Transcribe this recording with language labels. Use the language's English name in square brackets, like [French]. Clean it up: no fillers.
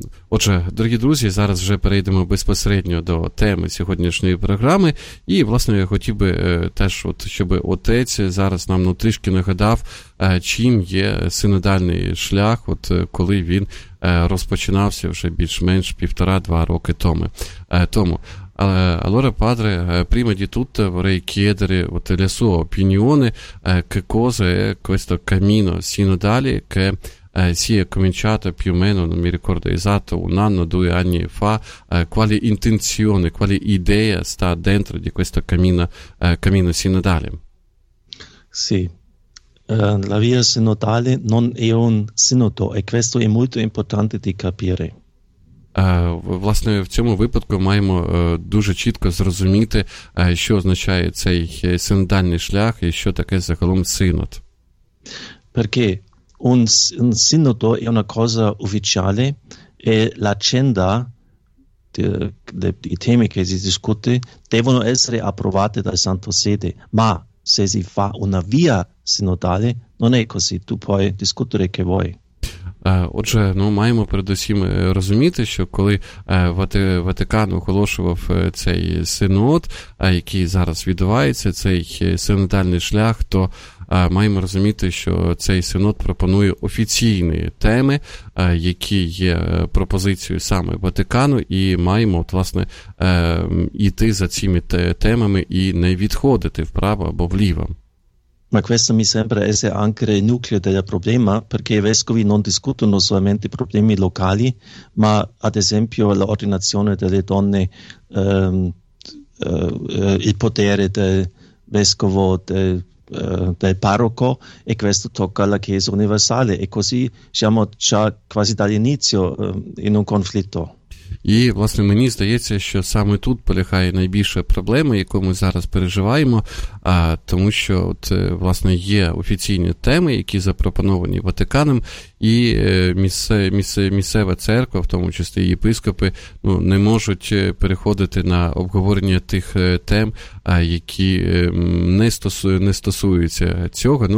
[Ukrainian] Отже, дорогі друзі, зараз вже перейдемо безпосередньо до теми сьогоднішньої програми. І, власне, я хотів би теж, щоб отець зараз нам трішки нагадав, чим є синодальний шлях, коли він розпочинався вже більш-менш півтора-два роки тому. [Italian] Allora, padre, prima di tutto vorrei chiedere la sua opinione, che cosa è questo cammino sinodale che si è cominciato più o meno, non mi ricordo esatto, un anno, due anni fa. Quale intenzione, quale idea sta dentro di questo cammino sinodale? Sì, la via sinodale non è un sinodo e questo è molto importante di capire. [Ukrainian] Власне, в цьому випадку маємо дуже чітко зрозуміти, що означає цей синодальний шлях і що таке загалом синод. [Italian] Perché un sinodo è una cosa ufficiale e l'agenda, i temi che si discute, devono essere approvati dal Santo Sede. Ma se si fa una via sinodale, non è così, tu puoi discutere che vuoi. [Ukrainian] Отже, маємо передусім розуміти, що коли Ватикан оголошував цей синод, який зараз відбувається, цей синодальний шлях, то маємо розуміти, що цей синод пропонує офіційні теми, які є пропозицією саме Ватикану, і маємо, йти за цими темами і не відходити вправо або вліво. [Italian] Ma questo mi sembra essere anche il nucleo del problema, perché i vescovi non discutono solamente problemi locali, ma ad esempio l'ordinazione delle donne, il potere del vescovo, del parroco, e questo tocca alla Chiesa universale, e così siamo già quasi dall'inizio in un conflitto. [Ukrainian] І, власне, мені здається, що саме тут полягає найбільша проблема, яку ми зараз переживаємо, тому що, є офіційні теми, які запропоновані Ватиканом, і місцева церква, в тому числі єпископи, не можуть переходити на обговорення тих тем, які не стосуються цього.